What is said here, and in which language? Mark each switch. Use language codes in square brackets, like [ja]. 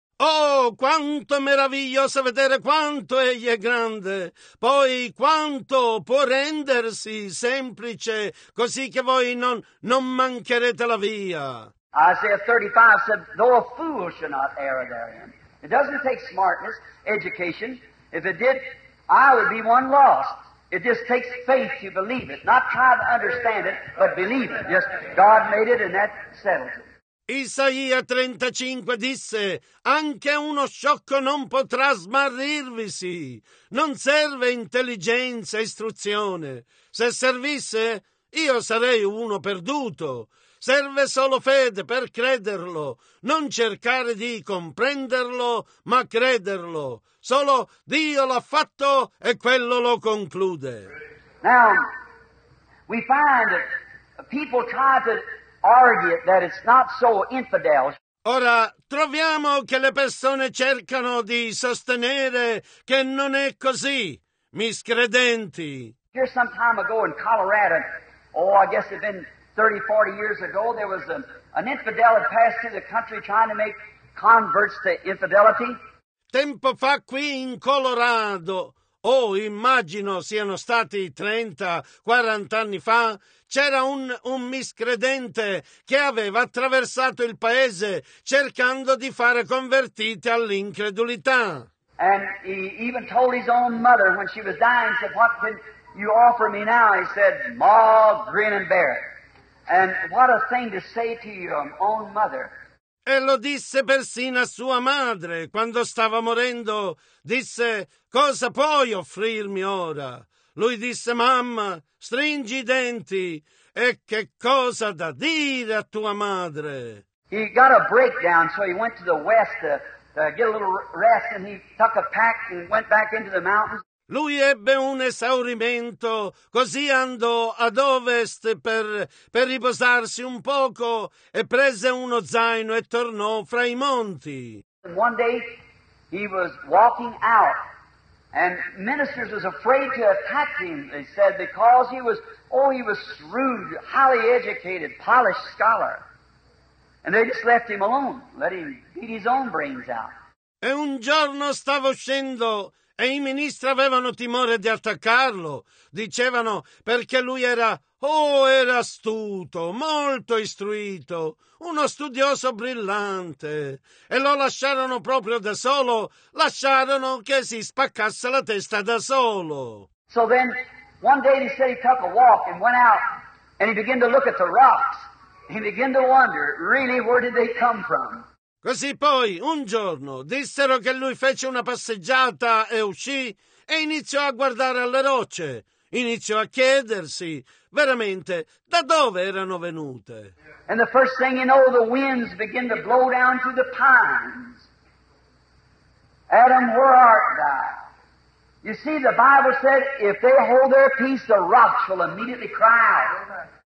[it] Oh, quanto meraviglioso vedere quanto Egli è grande, poi quanto può rendersi semplice, così che voi non mancherete la via. [en] Isaiah 35 said, though a fool should not err therein. It doesn't take smartness, education. If it did, I would be one lost. It just takes faith to believe it. Not try to understand it, but believe it. Just God made it and that settles it. [it] Isaia 35 disse, anche uno sciocco non potrà smarrirvisi. Non serve intelligenza e istruzione. Se servisse, io sarei uno perduto. Serve solo fede per crederlo, non cercare di comprenderlo, ma crederlo. Solo Dio l'ha fatto e quello lo conclude. [en] Now, we find that people try to argue that it's not so infidel. [it] Ora, troviamo che le persone cercano di sostenere che non è così, miscredenti. [en] Here some time ago in Colorado, oh, I guess it's been 30, 40 years ago, there was an infidel had passed through the country trying to make converts to infidelity. [it] Tempo fa qui in Colorado, immagino siano stati 30, 40 anni fa, c'era un miscredente che aveva attraversato il paese cercando di fare convertiti all'incredulità. [en] And he even told his own mother when she was dying, said, what can you offer me now? He said, Ma, grin and bear it. And what a thing to say to your own mother. [it] E lo disse persino a sua madre quando stava morendo. Disse, cosa puoi offrirmi ora? Lui disse, mamma, stringi i denti. E che cosa da dire a tua madre? [en] He got a breakdown, so he went to the west to get a little rest, and he took a pack and went back into the mountains. [it] Lui ebbe un esaurimento, così andò ad ovest per riposarsi un poco e prese uno zaino e tornò fra i monti. [en] One day he was walking out and ministers was afraid to attack him, they said, because he was rude, highly educated, polished scholar. And they just left him alone, let him beat his own brains out. [it] E un giorno stavo uscendo e i ministri avevano timore di attaccarlo. Dicevano perché lui era astuto, molto istruito, uno studioso brillante. E lo lasciarono proprio da solo, lasciarono che si spaccasse la testa da solo. [en] So then, one day he said he took a walk and went out and he began to look at the rocks. He began to wonder, really, where did they come from? [it] Così poi, un giorno, dissero che lui fece una passeggiata e uscì e iniziò a guardare alle rocce. Iniziò a chiedersi, veramente, da dove erano venute. [en] And the first thing you know, the winds begin to blow down through the pines. Adam, where art thou? You see, the Bible said, if they hold their peace, the rocks will immediately cry out.